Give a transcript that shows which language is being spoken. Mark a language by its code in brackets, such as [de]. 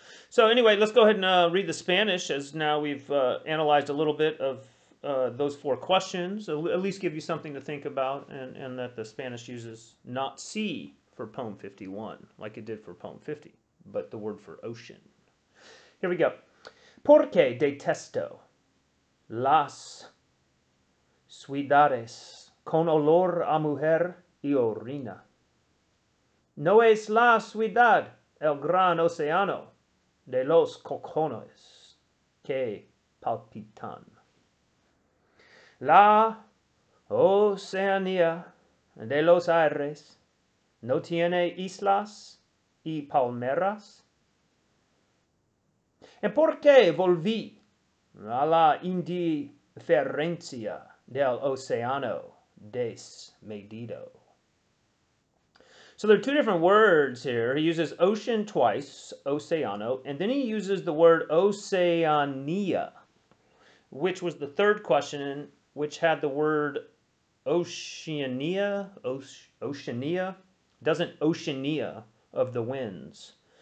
[en] So anyway, let's go ahead and read the Spanish, as now we've analyzed a little bit of those four questions. At least give you something to think about, and that the Spanish uses not sea for poem 51, like it did for poem 50, but the word for ocean. Here we go. [es] ¿Por qué detesto las ciudades con olor a mujer y orina? No es la ciudad el gran océano de los cojones que palpitan. La Oceanía de los aires no tiene islas y palmeras. ¿Y por qué volví a la indiferencia del océano desmedido? [en] So there are two different words here. He uses ocean twice, oceano, and then he uses the word oceania, which was the third question, which had the word oceania, oceania, doesn't oceania of the winds.